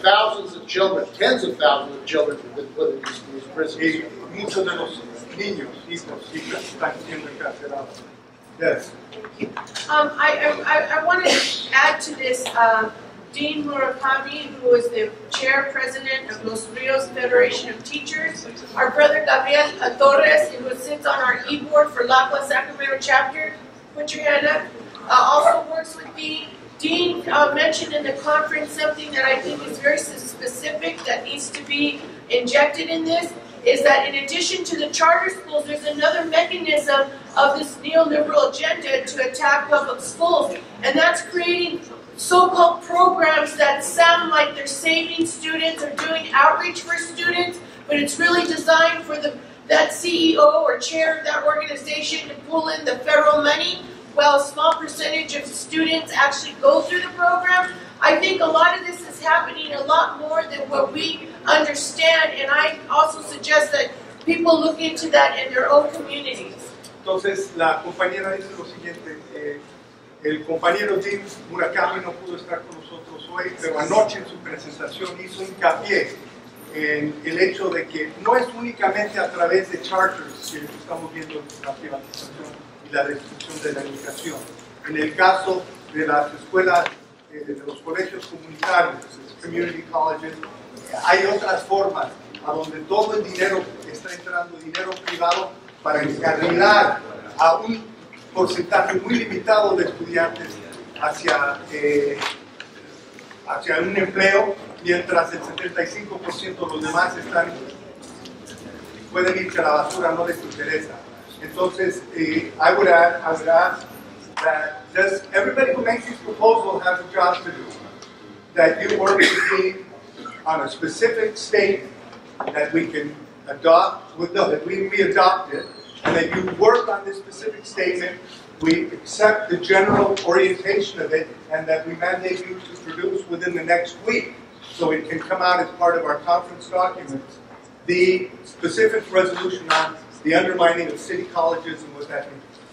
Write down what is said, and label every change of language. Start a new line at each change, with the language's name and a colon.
English: Thousands of children, tens of thousands of children have been put in these prisons.
Spanish: Muchos de los niños, hijos, hijas están siendo encarcelados.
English: Yes. I wanted to add to this Dean Murakami, who is the chair president of Los Rios Federation of Teachers, our brother Gabriel Torres, who sits on our e-board for LACUA Sacramento chapter, put your hand up, also works with Dean. Dean mentioned in the conference something that I think is very specific that needs to be injected in this, is that in addition to the charter schools, there's another mechanism of this neoliberal agenda to attack public schools, and that's creating so-called programs that sound like they're saving students or doing outreach for students, but it's really designed for that CEO or chair of that organization to pull in the federal money while a small percentage of students actually go through the program. I think a lot of this is happening a lot more than what we understand, and I also suggest that people look into that in their own communities.
Spanish: Entonces, la compañera dice lo siguiente. El compañero Jim Murakami no pudo estar con nosotros hoy, pero anoche en su presentación hizo hincapié en el hecho de que no es únicamente a través de charters que estamos viendo la privatización y la destrucción de la educación. En el caso de las escuelas, de los colegios comunitarios, community colleges, hay otras formas a donde todo el dinero está entrando, dinero privado, para encarrilar a un porcentaje muy limitado de estudiantes hacia un empleo, mientras el 75% de los demás están, pueden irse a la basura, no les interesa. Entonces,
English: I would ask that, does everybody who makes this proposal have a job to do? That you work with me on a specific state that we can adopt, that we can be adopted, and that you work on this specific statement, we accept the general orientation of it, and that we mandate you to produce within the next week, so it can come out as part of our conference documents, the specific resolution on the undermining of city colleges and what that means.